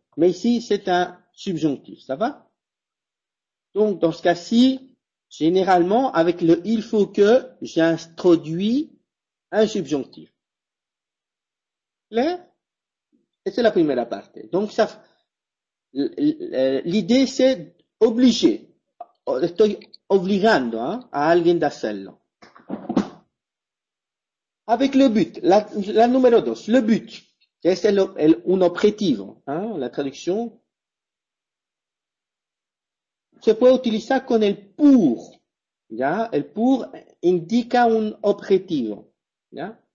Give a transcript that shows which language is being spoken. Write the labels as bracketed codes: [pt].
[fr] Mais ici, c'est un subjonctif, ça va? Donc, dans ce cas-ci, généralement, avec le il faut que, j'introduis un subjonctif. Clair? Et c'est la première partie. Donc, ça, l'idée, c'est obliger. [es] Obligando, hein, à alguien d'hacerlo. [fr] Avec le but, la numéro dos, le but, c'est un objectif, hein, la traduction. [es] Se puede utilizar con el pour, ya, el pour indica un objectif, ya.